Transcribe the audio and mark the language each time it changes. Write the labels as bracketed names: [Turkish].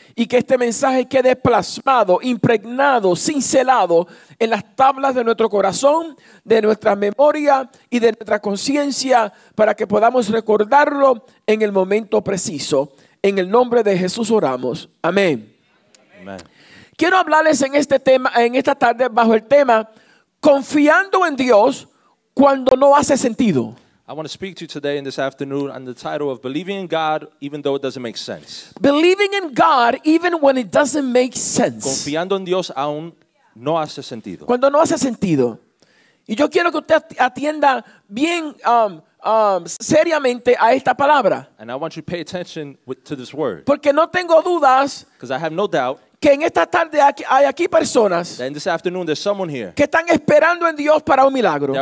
[Spanish] Y que este mensaje quede plasmado, impregnado, cincelado en las tablas de nuestro corazón, de nuestra memoria y de nuestra conciencia, para que podamos recordarlo en el momento preciso. En el nombre de Jesús oramos. Amén. Amén. Quiero hablarles en este tema, en esta tarde, bajo el tema confiando en Dios cuando no hace sentido. [English] I want to speak to you today in this afternoon on the title of believing in God even though it doesn't make sense. Believing in God even when it doesn't make sense. [Spanish] Confiando en Dios aún no hace sentido. Cuando no hace sentido. Y yo quiero que usted atienda bien seriamente a esta palabra. [English] And I want you to pay attention to this word. [Spanish] Porque no tengo dudas. [English] Because I have no doubt. [Spanish] Que en esta tarde hay aquí personas que están esperando en Dios para un milagro.